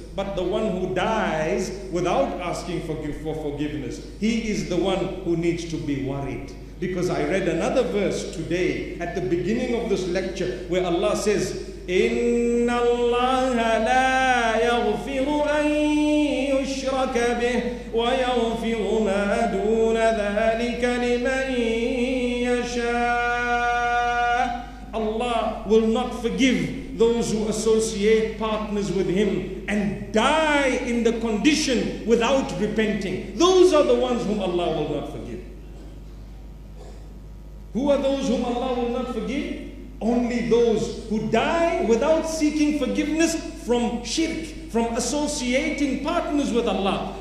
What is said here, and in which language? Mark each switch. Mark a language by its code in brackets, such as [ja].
[en] But the one who dies without asking for forgiveness, he is the one who needs to be worried. Because I read another verse today at the beginning of this lecture where Allah says, [ar] إن الله لا يغفر أن يشرك لك به ويغفر ما دون ذلك لمن يشاء. [en] Allah will not forgive those who associate partners with him and die in the condition without repenting. Those are the ones whom Allah will not forgive. Who are those whom Allah will not forgive? Only those who die without seeking forgiveness from shirk, from associating partners with Allah.